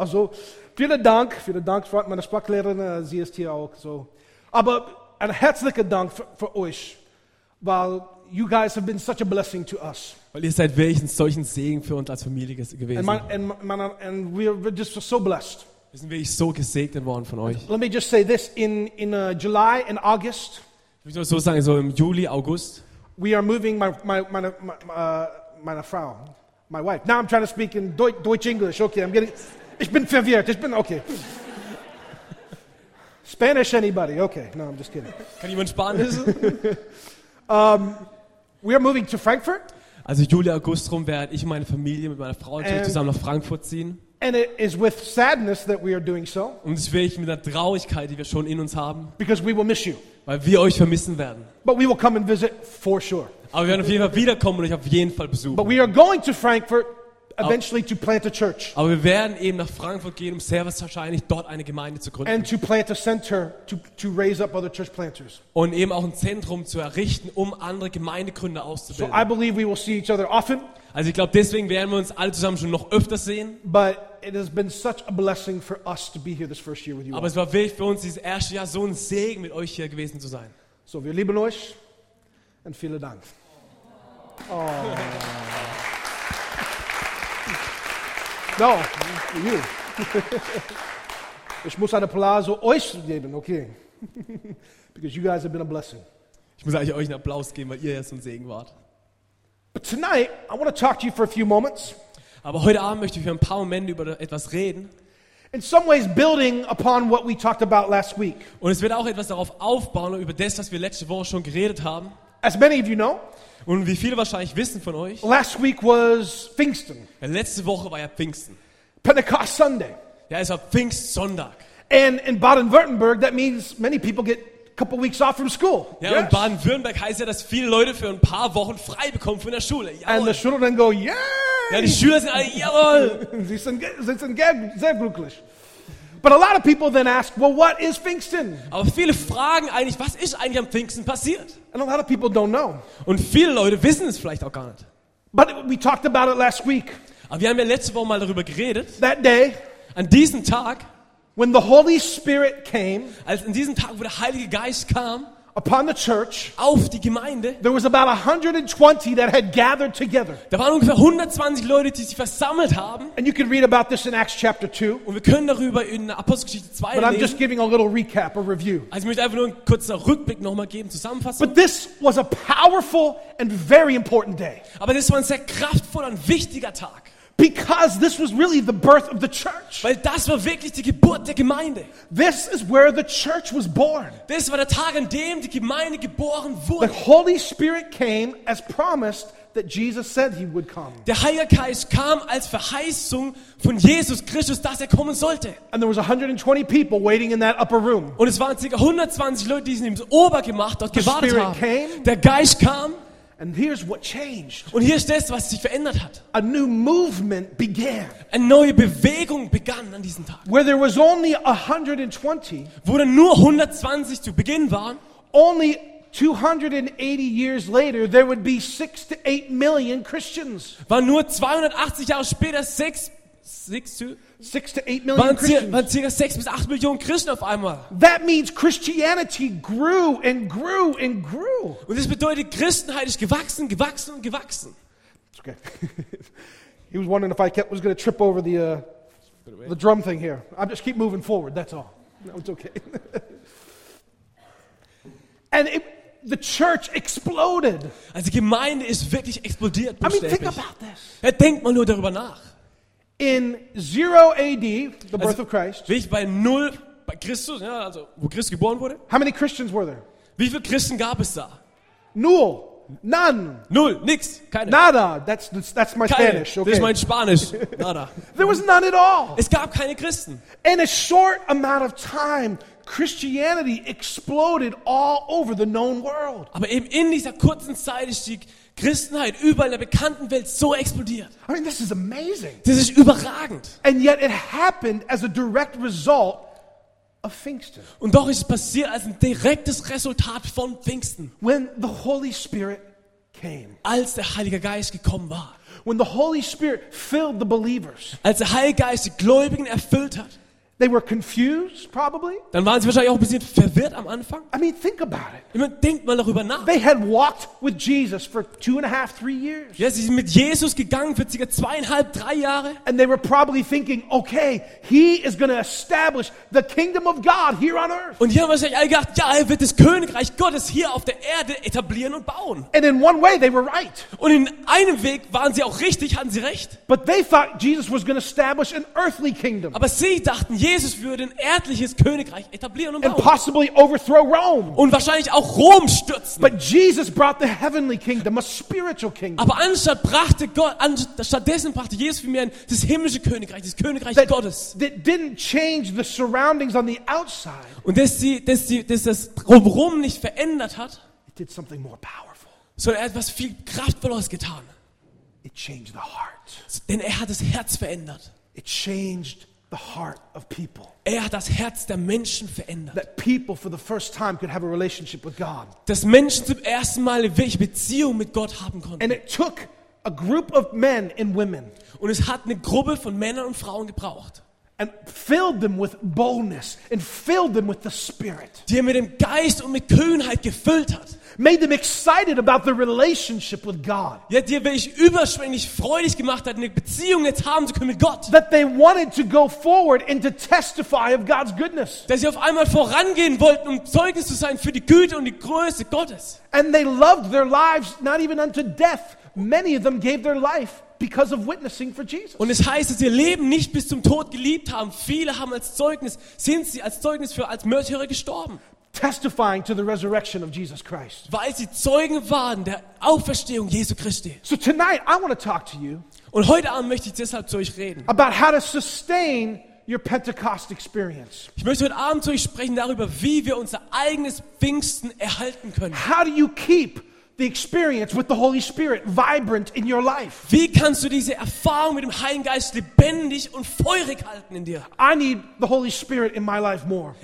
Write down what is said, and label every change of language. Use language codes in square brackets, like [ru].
[de] Also, vielen Dank, meine Sprachlehrerin, sie ist hier auch so. Aber ein herzlicher Dank für euch, weil [en] you guys have been such a blessing to us. [de] Weil ihr seid wirklich ein solchen Segen für uns als Familie gewesen. [en] And we're just so blessed. [de] Wir sind wirklich so gesegnet worden von euch. [en] Let me just say this, in July and August. [de] Ich will so sagen, so im Juli, August. [en] We are moving [de] meine Frau, [en] my wife. Now I'm trying to speak in Deutsch-English. [de] Okay, ich bin verwirrt. Ich bin, okay. [en] Spanish, anybody? Okay, no, I'm just kidding. [de] Kann jemand Spanisch? [en] We are moving to Frankfurt. [de] Also Juli, August rum werde ich und meine Familie mit meiner Frau natürlich zusammen nach Frankfurt ziehen. [en] And it is with sadness that we are doing so. [de] Und es wäre ich mit der Traurigkeit, die wir schon in uns haben. [en] Because we will miss you. [de] Weil wir euch vermissen werden. [en] But we will come and visit for sure. [de] Aber wir werden auf jeden Fall wiederkommen und euch auf jeden Fall besuchen. [en] But we are going to Frankfurt eventually to plant a church. [de] Aber wir werden eben nach Frankfurt gehen, um sehr wahrscheinlich dort eine Gemeinde zu gründen. [en] And to plant a center to raise up other church planters. [de] Und eben auch ein Zentrum zu errichten, um andere Gemeindegründer auszubilden. [en] So I believe we will see each other often. [de] Also ich glaube, deswegen werden wir uns alle zusammen schon noch öfter sehen. [en] But it has been such a blessing for us to be here this first year with you. [de] Aber es war wirklich für uns dieses erste Jahr so ein Segen, mit euch hier gewesen zu sein. So, wir lieben euch und vielen Dank. Oh. [en] No, for you. [de] Ich muss einen Applaus euch geben, okay? [en] Because you guys have been a blessing. [de] Ich muss eigentlich euch einen Applaus geben, weil ihr ja so ein Segen wart. [en] But tonight, I want to talk to you for a few moments. [de] Aber heute Abend möchte ich für ein paar Momente über etwas reden. [en] In some ways building upon what we talked about last week. [de] Und es wird auch etwas darauf aufbauen, über das, was wir letzte Woche schon geredet haben. [en] As many of you know. [de] Und wie viele wahrscheinlich wissen von euch. [en] Last week was Pfingsten. [de] Ja, letzte Woche war ja Pfingsten. [en] Pentecost Sunday. [de] Ja, es war Pfingstsonntag. [en] And in Baden-Württemberg, that means many people get couple weeks off from school. [de] Ja, [en] yes. [de] Und Baden-Württemberg heißt ja, dass viele Leute für ein paar Wochen frei bekommen von der Schule. Jawohl. [en] And the children go, yay! [de] Ja, die Schüler sind alle, jawohl! sie sind sehr glücklich. [en] But a lot of people then ask, well, what is Pfingsten? [de] Aber viele fragen eigentlich, was ist eigentlich am Pfingsten passiert? [en] And a lot of people don't know. [de] Und viele Leute wissen es vielleicht auch gar nicht. [en] But we talked about it last week. [de] Aber wir haben ja letzte Woche mal darüber geredet. [en] That day. [de] An diesem Tag. [en] When the Holy Spirit came, [de] als in diesem Tag, wo der Heilige Geist kam, [en] upon the church, [de] auf die Gemeinde, [en] there was about 120 that had gathered together. [de] Da waren ungefähr 120 Leute, die sich versammelt haben. [en] And you can read about this in Acts chapter 2. [de] Und wir können darüber in Apostelgeschichte 2 lesen. [en] But I'm just giving a little recap, a review. [de] Also ich möchte einfach nur einen kurzen Rückblick nochmal geben, zusammenfassen. [en] But this was a powerful and very important day. [de] Aber das war ein sehr kraftvoller und wichtiger Tag. [en] Because this was really the birth of the church. [de] Weil das war wirklich die Geburt der Gemeinde. [en] This is where the church was born. [de] Das war der Tag, an dem die Gemeinde geboren wurde. [en] The Holy Spirit came as promised that Jesus said he would come. [de] Der Heilige Geist kam als Verheißung von Jesus Christus, dass er kommen sollte. [en] And there was 120 people waiting in that upper room. [de] Und es waren ca. 120 Leute, die im Obergemach dort gewartet haben. [en] The Spirit came. [de] Der Geist kam. [en] And here's what changed. [de] Und hier ist das, was sich verändert hat. [en] A new movement began. [de] Eine neue Bewegung begann an diesem Tag. [en] Where there was only 120, [de] wo dann nur 120 zu Beginn waren, [en] only 280 years later there would be 6 to 8 million Christians. [de] Waren nur 280 Jahre später [en] 6 to 8 million Christians. That means Christianity grew and grew and grew. [de] Und das bedeutet, Christenheit ist gewachsen, gewachsen und gewachsen. [en] It's okay. He was wondering if I was going to trip over the drum thing here. I just keep moving forward. That's all. No, it's okay. And the church exploded. [de] Also die Gemeinde ist wirklich explodiert. [en] I mean, think about this. [de] Ja, denkt mal nur darüber nach. [en] In 0 AD, the birth of Christ. [de] Wie bei 0 bei Christus, ja, also wo Christus geboren wurde. [en] How many Christians were there? [de] Wie viele Christen gab es da? [en] Null. None. [de] Null, nix, keine. [en] Nada. That's my Spanish. Okay. [de] Das ist mein Spanisch. Nada. [en] There was none at all. [de] Es gab keine Christen. [en] In a short amount of time, Christianity exploded all over the known world. [de] Aber eben in dieser kurzen Zeit ist die Christenheit überall der bekannten Welt so explodiert. [en] I mean, this is amazing. [de] Das ist überragend. [en] And yet it happened as a direct result of Pfingsten. [de] Und doch ist es passiert als ein direktes Resultat von Pfingsten. [en] When the Holy Spirit came. [de] Als der Heilige Geist gekommen war. [en] When the Holy Spirit filled the believers. [de] Als der Heilige Geist die Gläubigen erfüllt hat. [en] They were confused, probably. [de] Dann waren sie wahrscheinlich auch ein bisschen verwirrt am Anfang. [en] I mean, think about it. [de] Ich meine, denkt mal darüber nach. [en] They had walked with Jesus for 2.5-3 years. [de] Ja, sie sind mit Jesus gegangen für circa 2.5-3 Jahre. [en] And they were probably thinking, okay, he is going to establish the kingdom of God here on earth. [de] Und hier haben sie sich alle gedacht, ja, er wird das Königreich Gottes hier auf der Erde etablieren und bauen. [en] And in one way, they were right. [de] Und in einem Weg waren sie auch richtig, hatten sie recht. [en] But they thought Jesus was going to establish an earthly kingdom. [de] Aber sie dachten, Jesus würde ein erdliches Königreich etablieren und bauen. [en] And possibly overthrow Rome. [de] Und wahrscheinlich auch Rom stürzen. [en] But Jesus brought the heavenly kingdom, a spiritual kingdom. [de] Aber stattdessen brachte Jesus für mich das himmlische Königreich, das Königreich Gottes. [en] That didn't change the surroundings on the outside. [de] Und dass das drumherum nicht verändert hat. [en] It did something more powerful. [de] Sondern er hat etwas viel Kraftvolleres getan. [en] It changed the heart. [de] Denn er hat das Herz verändert. [en] It changed the heart of people. [de] Er hat das Herz der Menschen verändert. [en] That people for the first time could have a relationship with God. [de] Dass Menschen zum ersten Mal wirklich Beziehung mit Gott haben konnten. [en] And it took a group of men and women. [de] Und es hat eine Gruppe von Männern und Frauen gebraucht. [en] And filled them with boldness and filled them with the Spirit. [de] Die mit dem Geist und mit Kühnheit gefüllt hat. [en] Made them excited about the relationship with God. [de] Ja, die wirklich überschwänglich freudig gemacht hat, eine Beziehung jetzt haben zu können mit Gott. [en] That they wanted to go forward and to testify of God's goodness. [de] Dass sie auf einmal vorangehen wollten, um Zeugnis zu sein für die Güte und die Größe Gottes. [en] And they loved their lives not even unto death. Many of them gave their life because of witnessing for Jesus. [de] Und es heißt, dass ihr Leben nicht bis zum Tod geliebt haben. Viele haben als Märtyrer gestorben. [en] Testifying to the resurrection of Jesus Christ. [de] Weil sie Zeugen waren der Auferstehung Jesu Christi. [en] So tonight I want to talk to you. [de] Und heute Abend möchte ich deshalb zu euch reden. [en] About how to sustain your Pentecost experience. [de] Ich möchte heute Abend zu euch sprechen darüber, wie wir unser eigenes Pfingsten erhalten können. [en] How do you keep the experience with the Holy Spirit vibrant in your life? [de] Wie kannst du diese Erfahrung mit dem Heiligen Geist lebendig und feurig halten in dir? [en] I need the Holy Spirit in my life more.